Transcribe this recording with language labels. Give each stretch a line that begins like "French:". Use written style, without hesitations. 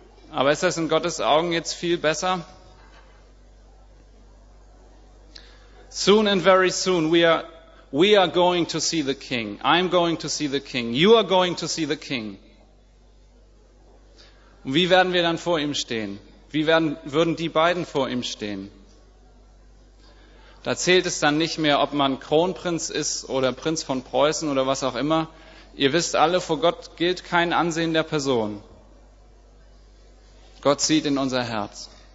German: Aber ist das in Gottes Augen jetzt viel besser?
English: Soon and very soon we are going to see the King. I'm going to see the King. You are going to see the King.
German: Und wie werden wir dann vor ihm stehen? Würden die beiden vor ihm stehen? Da zählt es dann nicht mehr, ob man Kronprinz ist oder Prinz von Preußen oder was auch immer. Ihr wisst alle, vor Gott gilt kein Ansehen der Person. Gott sieht in unser Herz.